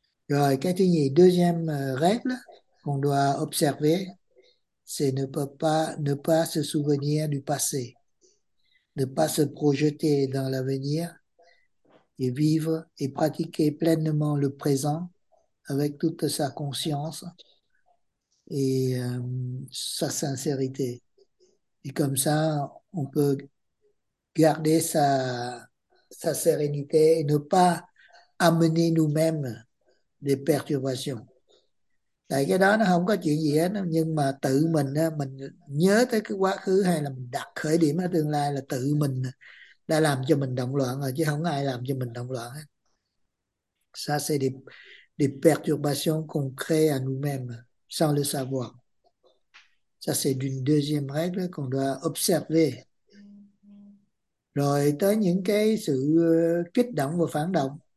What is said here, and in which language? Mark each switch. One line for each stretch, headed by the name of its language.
French: Alors, Katigny, deuxième règle qu'on doit observer, c'est ne pas se souvenir du passé, ne pas se projeter dans l'avenir et vivre et pratiquer pleinement le présent avec toute sa conscience et sa sincérité. Et comme ça, on peut garder sa sérénité et ne pas amener nous-mêmes des perturbations.
Vietnamese: Tại cái đó nó không có chuyện gì hết, nhưng mà tự mình nhớ tới cái quá khứ hay là mình đặt khởi điểm ở tương lai là tự mình đã làm cho mình động loạn rồi, chứ không ai làm cho mình động loạn hết.
French: Ça, c'est des perturbations qu'on crée à nous-mêmes sans le savoir. Ça, c'est d'une deuxième règle qu'on doit observer.
Vietnamese: Rồi tới những cái sự kích động và phản động.